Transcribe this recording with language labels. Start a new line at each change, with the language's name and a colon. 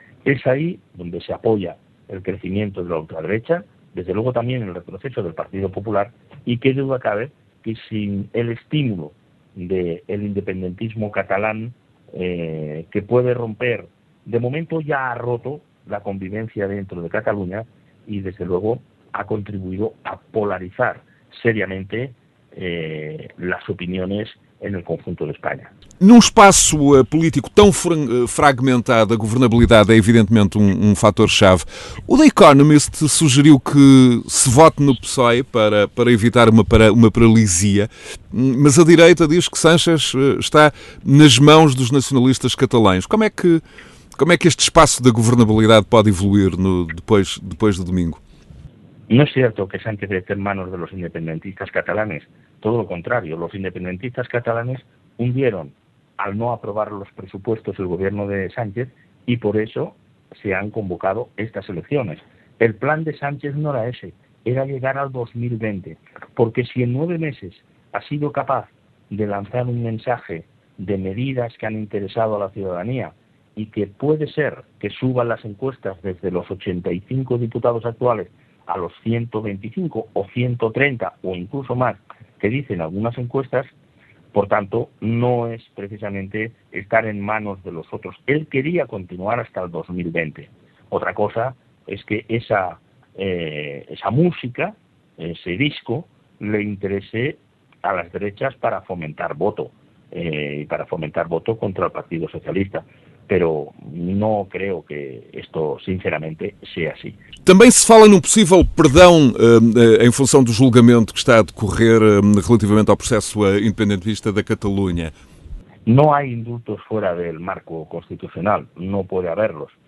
Spanish: Es ahí donde se apoya el crecimiento de la ultraderecha, desde luego también el retroceso del Partido Popular, y qué duda cabe que sin el estímulo del independentismo catalán, que puede romper, de momento ya ha roto la convivencia dentro de Cataluña y desde luego ha contribuido a polarizar seriamente las opiniones en el conjunto de España.
Portuguese: Num espaço político tão fragmentado, a governabilidade é evidentemente um fator-chave. O The Economist sugeriu que se vote no PSOE para evitar uma paralisia, mas a direita diz que Sánchez está nas mãos dos nacionalistas catalães. Como é que este espaço da governabilidade pode evoluir depois de domingo? Não é certo que Sánchez esteja em mãos dos independentistas catalães.
Spanish: Todo lo contrario, los independentistas catalanes hundieron al no aprobar los presupuestos el gobierno de Sánchez y por eso se han convocado estas elecciones. El plan de Sánchez no era ese, era llegar al 2020, porque si en 9 meses ha sido capaz de lanzar un mensaje de medidas que han interesado a la ciudadanía y que puede ser que suban las encuestas desde los 85 diputados actuales a los 125 o 130 o incluso más, que dicen algunas encuestas, por tanto, no es precisamente estar en manos de los otros. Él quería continuar hasta el 2020. Otra cosa es que esa música, ese disco, le interese a las derechas para fomentar voto, y para fomentar voto contra el Partido Socialista. Pero no creo que esto, sinceramente, sea así.
Portuguese: Também se fala num possível perdão em função do julgamento que está a decorrer relativamente ao processo independentista da Catalunha.
Spanish: No hay indultos fuera del marco constitucional, no puede haberlos.